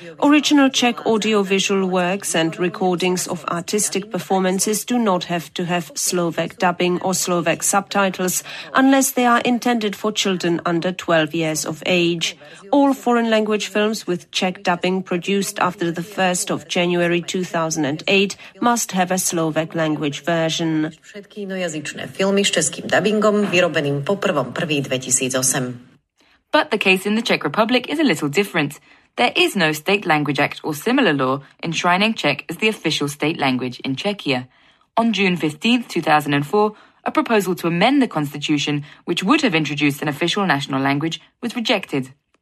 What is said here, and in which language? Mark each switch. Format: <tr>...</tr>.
<en>Original Czech audiovisual works and recordings of artistic performances do not have to have Slovak dubbing or Slovak subtitles unless they are intended for children under 12 years of age. All foreign language films with Czech dubbing produced after the 1st of January 2008 must have a Slovak language version.</en> <sk>Všetky inojazyčné filmy s českým dubbingom vyrobeným po 1. 2008.</sk> <en>But the case in the Czech Republic is a little different. There is no State Language Act or similar law enshrining Czech as the official state language in Czechia. On June 15, 2004, a proposal to amend the constitution, which would have introduced an official national language, was rejected.</en>